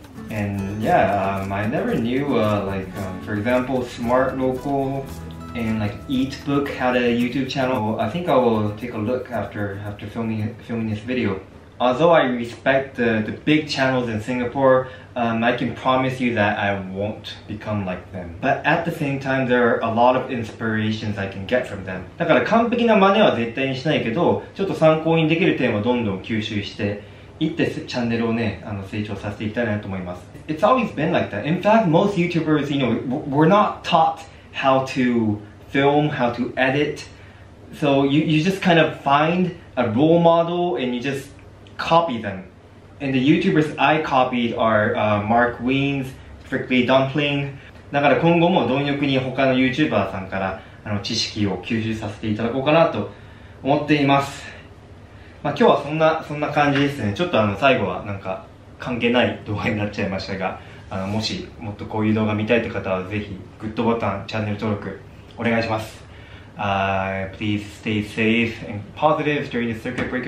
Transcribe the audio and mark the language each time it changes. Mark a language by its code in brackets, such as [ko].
[en] And yeah, I never knew, for example, Smart Local and like Eat Book had a YouTube channel. I think I will take a look after filming this video. Although I respect the big channels in Singapore,I can promise you that I won't become like them. But at the same time, there are a lot of inspirations I can get from them. [ja] だから完璧な真似は絶対にしないけど、ちょっと参考にできる点をどんどん吸収していって、チャンネルをね、成長させていきたいなと思います。 [en] It's always been like that. In fact, most YouTubers, you know, we're not taught how to film, how to edit. So you just kind of find a role model and you just copy them. And the YouTubers I copied are Mark Wiens, Strictly Dumpling. [ja] だから今後も貪欲に他の YouTuber さんから知識を吸収させていただこうかなと思っています。まあ今日はそんな感じですね。ちょっと最後はなんか関係ない動画になっちゃいましたが、もしもっとこういう動画見たいという方はぜひグッドボタン、チャンネル登録お願いします。 [en] Please stay safe and positive during the circuit breaker period and see you guys later. Bye bye!